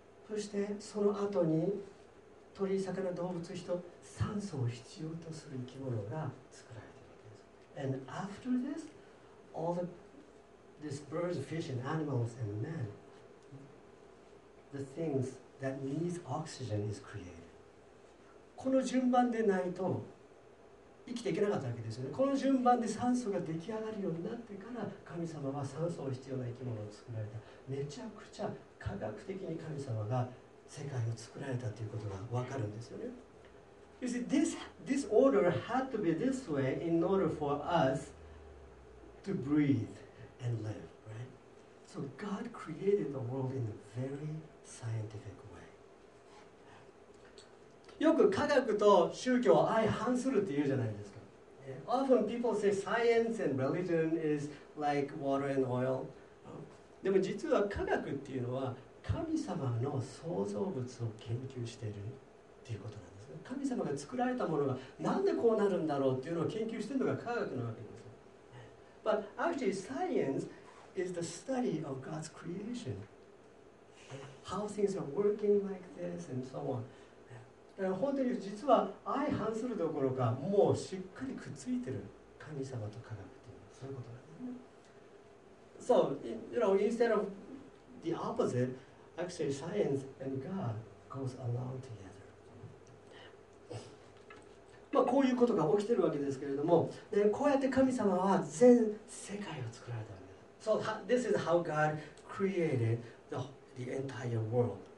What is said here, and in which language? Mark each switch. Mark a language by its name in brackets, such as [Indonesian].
[Japanese] そしてその後に鳥、魚、動物、人、酸素を必要とする生き物が作られてるわけです。 [English] And after this,All the these birds, fish, and animals, and men, the things that need oxygen is created. [Japanese] この順番でないと生きていけなかったわけですよね。この順番で酸素が出来上がるようになってから、神様は酸素を必要な生き物を作られた。めちゃくちゃ科学的に神様が世界を作られたということがわかるんですよね。 [English] You see, this order had to be this way in order for us. To breathe and live, right? So God created the world in a very scientific way. [Japanese] よく科学と宗教は相反するって言うじゃないですか。 [English] Often people say science and religion is like water and oil. [Japanese] でも実は科学っていうのは神様の創造物を研究しているということなんですね。神様が作られたものがなんでこうなるんだろうっていうのを研究しているのが科学なわけです。 [English] But actually, science is the study of God's creation. How things are working like this and so on. [Japanese] 本当に実は相反するどころかもうしっかりくっついてる神様と科学というそういうことなんですね。 [English] So, you know, instead of the opposite, actually science and God goes along together. [Japanese] まあこういうことが起きてるわけですけれども、でこうやって神様は全世界を作られたわけです。 [English] So, this is how God created the entire world.